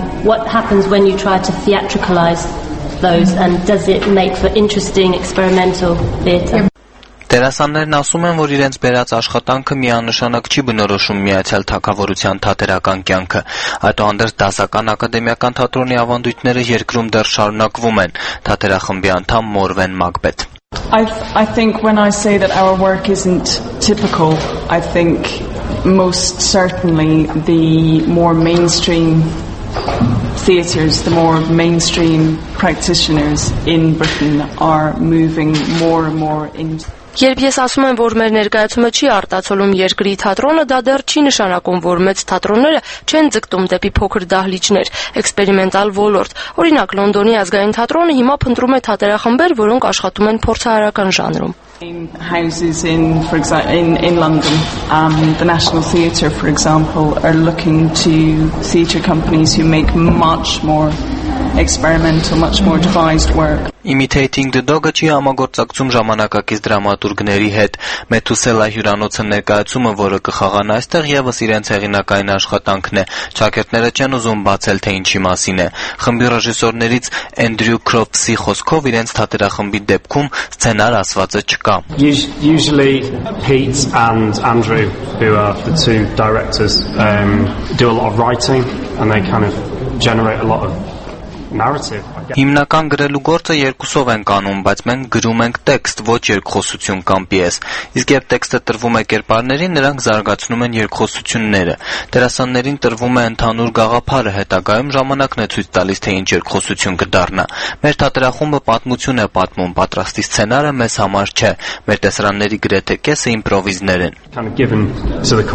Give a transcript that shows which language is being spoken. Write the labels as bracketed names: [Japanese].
[English] What happens when you try to theatricalize those and does it make for interesting experimental theater? [Armenian] Դերասաններն ասում են, որ իրենց բերած աշխատանքը միանշանակ չի բնորոշում Միացյալ Թագավորության թատերական կյանքը։ Այդուհանդերձ դասական ակադեմիական թատրոնի ավանդույթները երկրում դեռ շարունակվում են։ Թատերախմբի անդամ Մորվեն Մակբեթ. [English] I think when I say that our work isn't typical, I think most certainly the more mainstream theatres, the more mainstream practitioners in Britain are moving more and more into [Armenian] Երբ ես ասում եմ, որ մեր ներկայացումը չի արտացոլում երկրի թատրոնը, դա դեռ չի նշանակում, որ մեծ թատրոնները չեն ձգտում դեպի փոքր դահլիճներ, էքսպերիմենտալ ոլորտ։ Օրինակ, Լոնդոնի ազգային թատրոնը հիմա փնտրում է թատերախմբեր, որոնք աշխատում են փորձարարական ժանրում. [English] Houses in London, the National Theatre, for example, are looking to theatre companies who make much more experimental, much more devised work. [Armenian] Imitating the Dog-ը չի համագործակցում ժամանակակից դրամատուրգների հետ։ Մեթուսելա հյուրանոցը ներկայացումը, որը կխաղան այստեղ, ևս իրենց հեղինակային աշխատանքն է։ Ճակերտները չեն ուզում բացել, թե ինչի մասին է։ Խմբի ռեժիսորներից Անդրյու Քրոփսի խոսքով իրենց թատերախմբի դեպքում սցենար ասվածը չկա։ [English] Usually Pete and Andrew, who are the two directors, do a lot of writing and they kind of generate a lot of narrative. [Armenian] Հիմնական գրելու գործը երկուսով ենք անում, բայց մենք գրում ենք տեքստ, ոչ երկխոսություն կամ պիես։ Իսկ երբ տեքստը տրվում է կերպարներին, նրանք զարգացնում են երկխոսությունները։ Դերասաններին տրվում է ընդհանուր գաղափարը, հետագայում ժամանակն է ցույց տալիս, թե ինչ երկխոսություն կդառնա։ Մեր թատերախումբը պատմություն է պատմում, պատրաստի սցենարը մեզ համար չէ։ Մեր տեսարանների գրեթե կեսը իմպրովիզներ են։